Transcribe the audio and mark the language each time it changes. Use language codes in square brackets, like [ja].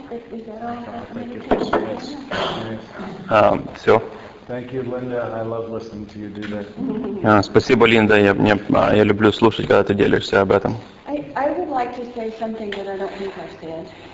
[en] Is that all about meditation? Yes. [ru] Все. [en] Thank you, Linda. I love listening to you do that. [ru] Спасибо, Линда. Я люблю слушать, когда ты делишься об этом. [en] I would like to say something that I don't think I've said.